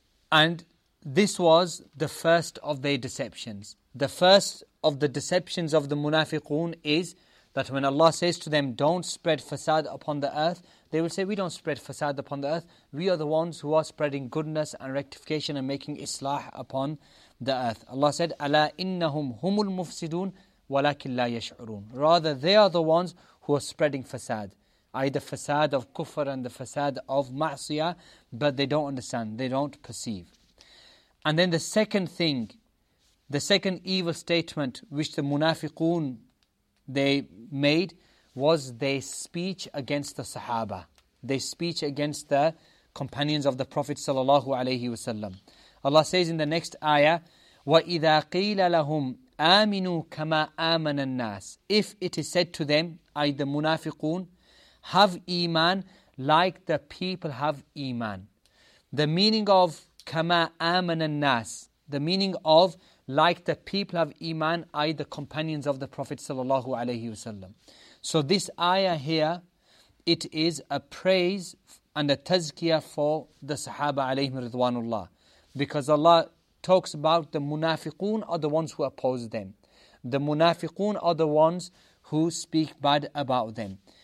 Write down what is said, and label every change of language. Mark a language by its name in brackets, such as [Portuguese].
[English] And this was the first of their deceptions. The first of the deceptions of the munafiqun is that when Allah says to them, don't spread fasad upon the earth, they will say, we don't spread fasad upon the earth. We are the ones who are spreading goodness and rectification and making islah upon the earth. [Arabic] Allah said, أَلَا إِنَّهُمْ هُمُ الْمُفْسِدُونَ وَلَكِنْ لَا يَشْعُرُونَ. [English] Rather, they are the ones who are spreading fasad, i.e. the fasad of kufr and the fasad of ma'siyah, but they don't understand, they don't perceive. And then the second thing, the second evil statement which the munafiqun they made was their speech against the sahaba, their speech against the companions of the Prophet sallallahu alaihi wasallam. [Arabic] Allah says in the next ayah, وَإِذَا قِيلَ لَهُمْ آمِنُوا كَمَا آمَنَ النَّاسِ. [English] If it is said to them, i.e. the munafiqun, have iman like the people have iman. The meaning of kama amana nas, the meaning of like the people have iman, i.e. the companions of the Prophet sallallahu alaihi wasallam. So this ayah here, it is a praise and a tazkiyah for the sahaba alayhim ridwanullah, because Allah talks about the munafiqun are the ones who oppose them, the munafiqun are the ones who speak bad about them.